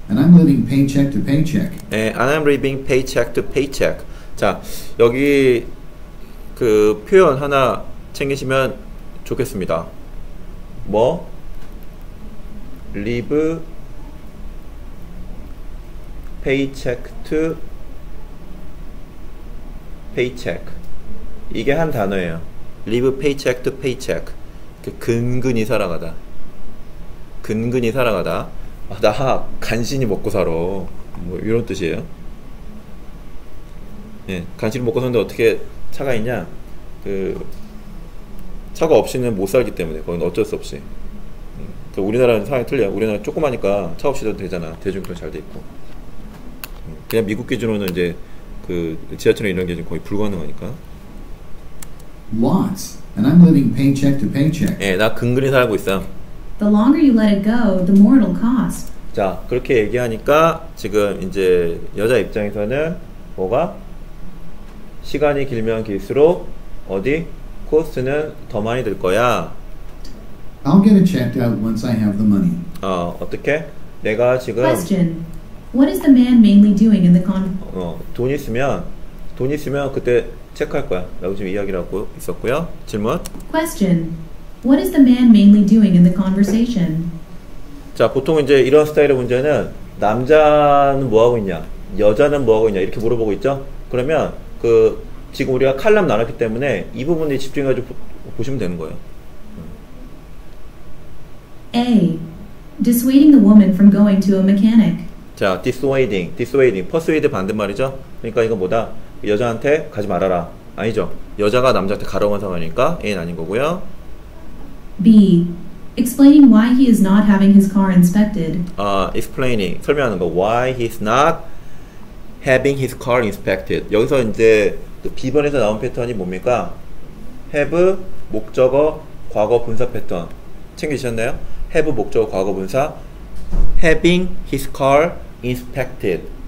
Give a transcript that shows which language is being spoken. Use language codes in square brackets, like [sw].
[en] And I'm living paycheck to paycheck. 네, and I'm living paycheck to paycheck. [ko] 자, 여기 그 표현 하나 챙기시면 좋겠습니다. 뭐? [en] Live paycheck to paycheck [ko] 이게 한 단어예요. [en] Live paycheck to paycheck [ko] 그 근근히 살아가다 근근히 살아가다 아, 나 간신히 먹고 살아 뭐 이런 뜻이에요. 예, 간신히 먹고 사는데 어떻게 차가 있냐 그 차가 없이는 못 살기 때문에 거긴 어쩔 수 없이 그 우리나라는 상황이 틀려요. 우리나라 조그마하니까 차 없이도 되잖아. 대중교통 잘 돼 있고 그냥 미국 기준으로는 이제 그 지하철에 이런 게 거의 불가능하니까. [en] Lots. And I'm living paycheck to paycheck. [ko] 예, 나 근근히 살고 있어. [en] The longer you let it go, the more it'll cost. [ko] 자, 그렇게 얘기하니까 지금 이제 여자 입장에서는 뭐가 시간이 길면 길수록 어디 코스트는 더 많이 들 거야. [en] I'll get it checked out once I have the money. [ko] 어떻게? 내가 지금 [en] Question. What is the man mainly doing in the con? [ko] 돈 있으면 그때 체크할 거야라고 지금 이야기를 하고 있었고요. 질문. [en] Question. What is the man mainly doing in the conversation? [ko] 자, 보통 이제 이런 스타일의 문제는 남자는 뭐 하고 있냐, 여자는 뭐 하고 있냐 이렇게 물어보고 있죠. 그러면 그 지금 우리가 칼럼 나눴기 때문에 이 부분에 집중해가지고 보시면 되는 거예요. [en] A. Dissuading the woman from going to a mechanic. [ko] 자, [en] dissuading, persuade [ko] 반대말이죠. 그러니까 이거 뭐다? 여자한테 가지 말아라. 아니죠. 여자가 남자한테 가라고 한 상황이니까 A는 아닌 거고요. [en] B. Explaining why he is not having his car inspected. [ko] Explaining, 설명하는 거. [en] Why he's not having his car inspected. [ko] 여기서 이제 그 B번에서 나온 패턴이 뭡니까? Have, 목적어, 과거 분사 패턴. 챙기셨나요? Have, 목적어, 과거 분사. [en] Having his car inspected.